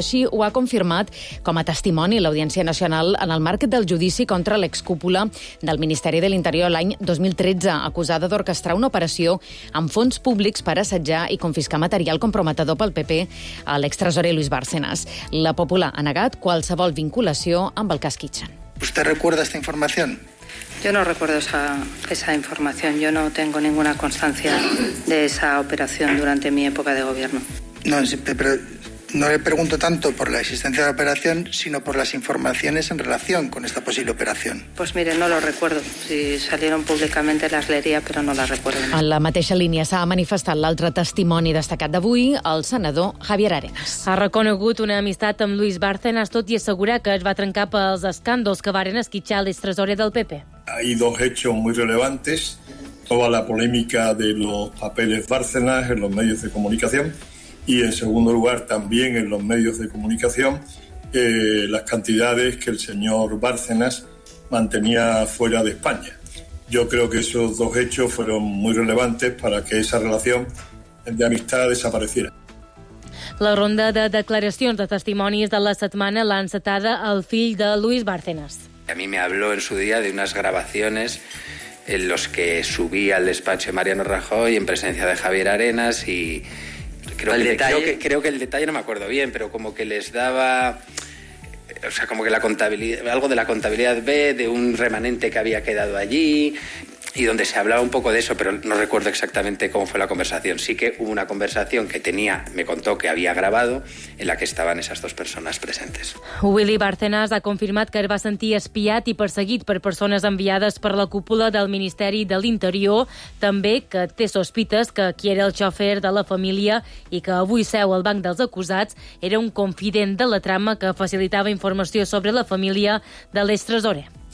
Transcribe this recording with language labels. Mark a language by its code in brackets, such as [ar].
[ca] Així ho ha confirmat com a testimoni l'Audiència Nacional en el marc del judici contra l'excúpula del Ministeri de l'Interior l'any 2013, acusada d'orquestrar una operació amb fons públics per assetjar i confiscar material comprometedor pel PP a l'extresorer Luis Bárcenas. La Popular ha negat qualsevol vinculació amb el cas Kitchen. [es] ¿Usted recuerda esta información? Yo no recuerdo esa información. Yo no tengo ninguna constancia de esa operación durante mi época de gobierno. No, pero no le pregunto tanto por la existencia de la operación, sino por las informaciones en relación con esta posible operación. Pues mire, no lo recuerdo. Si salieron públicamente las leería, pero no las recuerdo. [ca] En la mateixa línia s'ha manifestat l'altre testimoni destacat d'avui, el senador Javier Arenas. Ha reconegut una amistat amb Luis Bárcenas, tot i assegurar que es va trencar pels escàndols que varen esquitxar l'extresorer del PP. [es] Hay dos hechos muy relevantes, toda la polémica de los papeles Bárcenas en los medios de comunicación y, en segundo lugar, también en los medios de comunicación, las cantidades que el señor Bárcenas mantenía fuera de España. Yo creo que esos dos hechos fueron muy relevantes para que esa relación de amistad desapareciera. [ca] La ronda de declaracions de testimonis de la setmana l'ha encetada el fill de Luis Bárcenas. [es] A mí me habló en su día de unas grabaciones en los que subí al despacho de Mariano Rajoy en presencia de Javier Arenas y creo que el detalle no me acuerdo bien, pero como que les daba, o sea, como que la contabilidad, algo de la contabilidad B, de un remanente que había quedado allí. y donde se hablaba un poco de eso, pero no recuerdo exactamente cómo fue la conversación. Sí que hubo una conversación que tenía, me contó que había grabado, en la que estaban esas dos personas presentes. [ca] Willy Bárcenas ha confirmat que el va sentir espiat i perseguit per persones enviades per la cúpula del Ministeri de l'Interior, també que té sospites que qui era el xòfer de la família i que avui seu al banc dels acusats era un confident de la trama que facilitava informació sobre la família de l'Estresore.